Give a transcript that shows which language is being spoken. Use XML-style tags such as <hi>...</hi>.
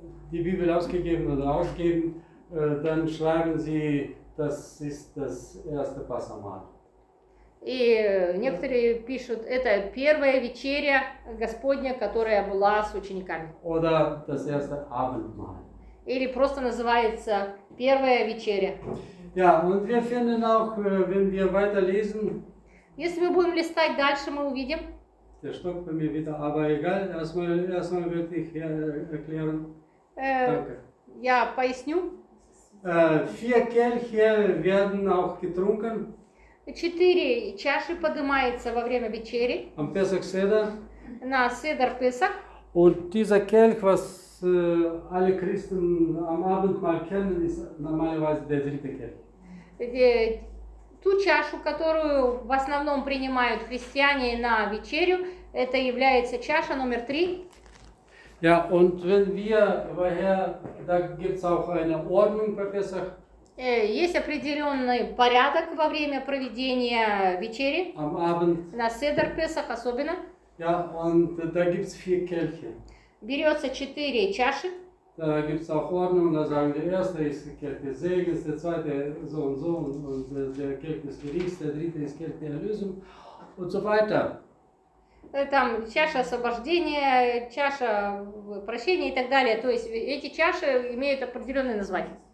<de>Die Bibel ausgegeben oder ausgeben, dann schreiben sie, das ist das erste Passamal.</de> <ru>И некоторые пишут, это первая вечеря Господня, которая была с учениками.</ru> <de>Oder das erste Abendmahl.</de> <ru>Или просто называется первая вечеря.</ru> <de>Ja, und wir finden auch, wenn wir weiterlesen.</de> <ru>Если мы будем листать дальше, мы увидим.</ru> <de>Der Stock bei mir wieder, aber egal, erstmal wird ich erklären.</de> <ru>Я поясню.</ru> <de>Vier Kelche werden auch getrunken.</de> <ru>Четыре чаши поднимаются во время вечери.</ru> <de>Am Pesach Seder.</de> <ru>На Седер Песах.</ru> <de>Und dieser Kelch, was alle Christen am Abendmahl kennen, ist normalerweise der dritte Kelch.</de> <ru>Ту чашу, которую в основном принимают христиане на вечерю, это является чаша номер три.</ru> <de>Ja, und wenn wir, woher, da gibt's auch eine Ordnung bei Pesach.</de> <ru>Есть определенный порядок во время проведения вечери.</ru> <de>Am Abend.</de> <ru>На Седер Песах особенно.</ru> <de>Ja, und da gibt's vier Kelche.</de> <ru>Берется четыре чаши.</ru> <de>Da gibt es auch Ordnung, da sagen wir, der erste ist Kelch des Segens, der zweite so und so, und der Kelch des Gerichts, der dritte ist Kelch der Erlösung und so weiter.</de> <ru>Там чаша освобождения, чаша прощения и так далее. То есть эти чаши имеют определенные названия.</ru>